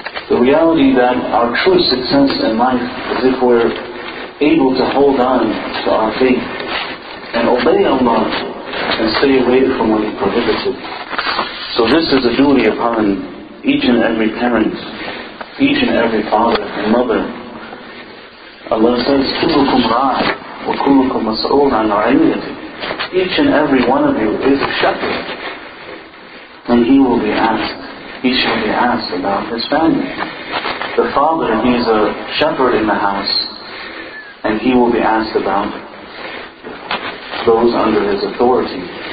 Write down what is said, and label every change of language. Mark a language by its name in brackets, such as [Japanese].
[English] The reality that our true success in life is if we're able to hold on to our faith and obey Allah and stay away from what He prohibited. So this is a duty upon each and every parent, each and every father and mother. Allah says, [Arabic] كُلُّكُمْ رَعَى وَكُلُّكُمْ مَسْؤُولٌ عَنْ رَعِيَّتِهِ. [English] Each and every one of you is a shepherd, and he will be asked, he shall be asked about his family. The father, he is a shepherd in the house, and he will be asked about those under his authority.